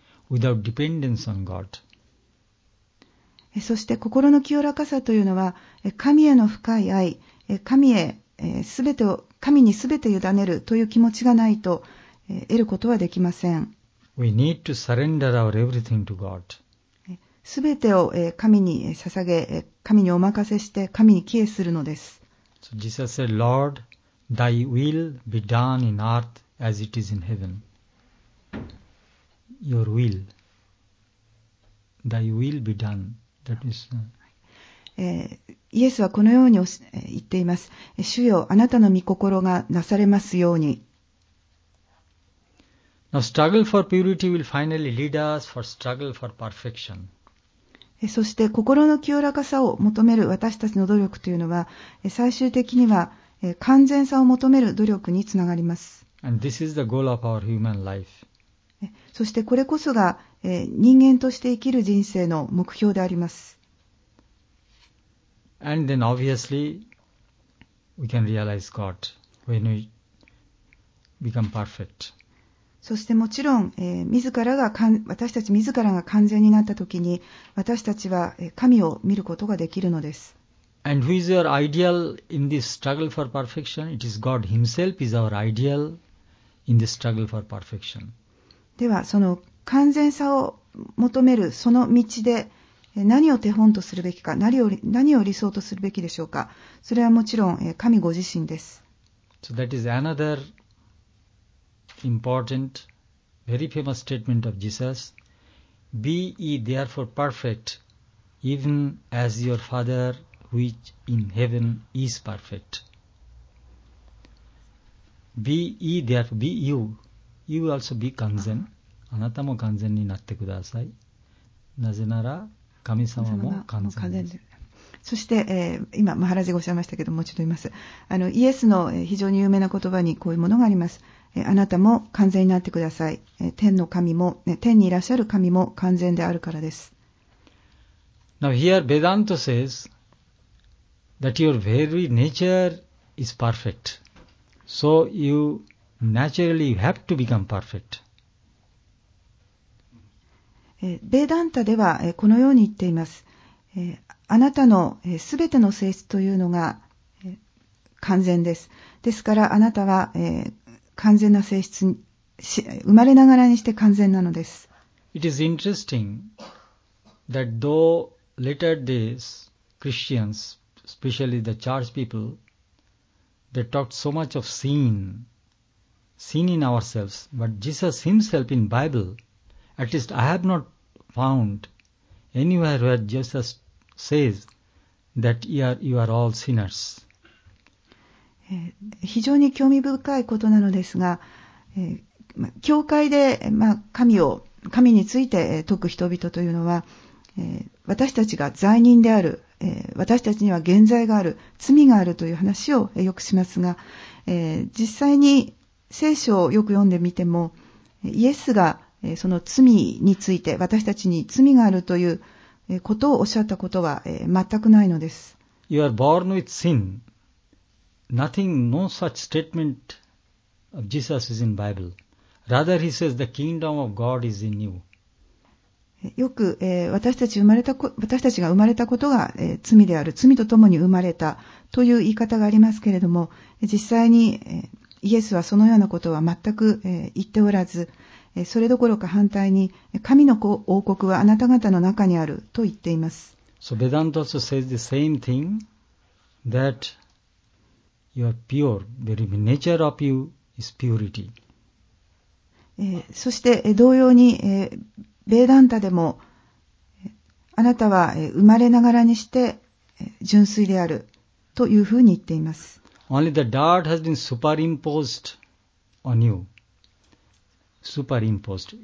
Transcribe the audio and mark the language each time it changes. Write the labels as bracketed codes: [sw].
[en] Without dependence on God. [ja] そして心の清らかさというのは神への深い愛 神にすべて委ねるという気持ちがないと得ることはできません。 [en] We need to surrender our everything to God. [ja] すべてを神に捧げ神にお任せして神に帰依するのです。 [en] So Jesus said, Lord, thy will be done in earth as it is in heaven. Your will. Thy will be done. That is... [ja] イエスはこのように言っています。主よ、あなたの御心がなされますように。 [en] Now, struggle for purity will finally lead us for struggle for perfection. [ja] そして心の清らかさを求める私たちの努力というのは、最終的には完全さを求める努力につながります。 [en] And this is the goal of our human life. [ja] そしてこれこそが人間として生きる人生の目標であります。 [en] And then obviously we can realize God when we become perfect. [ja] そしてもちろん、私たち自らが完全になったときに、私たちは神を見ることができるのです。 [en] And who is your ideal in this struggle for perfection? It is God Himself is our ideal in this struggle for perfection. [ja] では、その完全さを求めるその道で、何を手本とするべきか、何を理想とするべきでしょうか。それはもちろん、神ご自身です。 [en] So that is another important, very famous statement of Jesus. Be ye therefore perfect, even as your Father which in heaven is perfect. Be ye therefore, be you. You also be kanzen. [ja] あなたも完全になってください。なぜなら、神様も完全です。そして、今マハラジがおっしゃいましたけど、もう一度言います。イエスの非常に有名な言葉にこういうものがあります。あなたも完全になってください。天の神も、天にいらっしゃる神も完全であるからです。 [en] Now here Vedanta says that your very nature is perfect. So you naturally have to become perfect. [ja] Vedanta ではこのように言っています。あなたのすべての性質というのが完全です。ですからあなたは完全な性質に生まれながらにして完全なのです。 [en] It is interesting that though later days Christians, especially the church people, they talked so much of sin in ourselves, but Jesus himself in Bible, at least I have not found anywhere where Jesus says that you are all sinners. [ja] 非常に興味深いことなのですが、教会で、神について説く人々というのは、私たちが罪人である、私たちには原罪がある、罪があるという話をよくしますが、実際に聖書をよく読んでみても、イエスがその罪について、私たちに罪があるということをおっしゃったことは全くないのです。 [en] You are born with sin. Nothing, no such statement of Jesus is in Bible. Rather, he says the kingdom of God is in you. [ja] よく、私たちが生まれたことが、罪である、罪とともに生まれたという言い方がありますけれども、実際に、イエスはそのようなことは全く、言っておらず、それどころか反対に、神の王国はあなた方の中にあると言っています。 [en] So Vedanta also says the same thing, that you are pure, very nature of you is purity. [ja] そして同様に、Vedanta でも、あなたは生まれながらにして純粋であるというふうに言っています。 [en] Only the dirt has been superimposed on youSuperimposed.